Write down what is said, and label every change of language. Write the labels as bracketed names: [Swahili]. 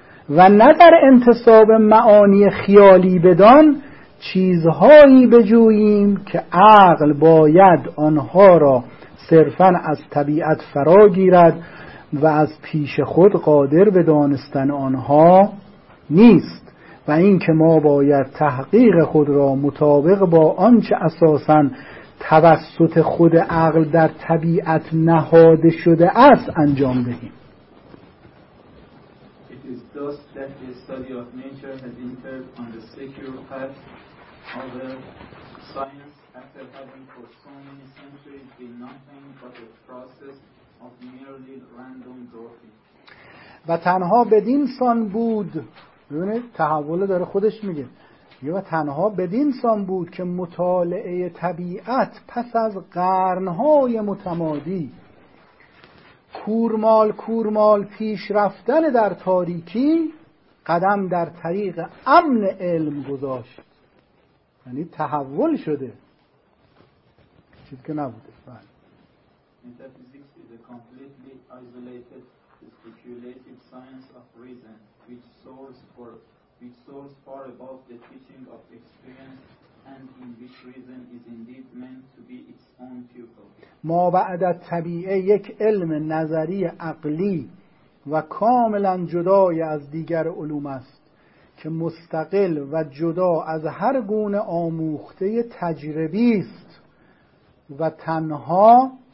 [Persian] و نه در انتساب معانی خیالی بدان چیزهایی بجوییم که عقل باید آنها را صرفاً از طبیعت فرا گیرد و از پیش خود قادر به دانستن آنها نیست. و این که ما باید تحقیق خود را مطابق با آنچه اساساً توسط خود عقل در طبیعت نهاده شده است انجام دهیم. [English] It is thus that the study of nature has entered on the secure path of the science after having for so many centuries been nothing but a process of merely random drawing. [Persian] و تنها بدین سان بود، ببینید تحول داره خودش میگه، یه و تنها بدین سان بود که مطالعه طبیعت پس از قرنهای متمادی کورمال کورمال پیش رفتن در تاریکی قدم در طریق امن علم گذاشت. یعنی تحول شده چیز که نبوده. بله. [English] Metaphysics is a completely isolated speculative science of reason which soars far above the teaching of experience and in which reason is indeed meant to be its own pupil. [Persian] ما بعد از طبیعه یک علم نظری عقلی و کاملا جدای از دیگر علوم است که مستقل و جدا از هر گونه آموخته تجربی است و تنها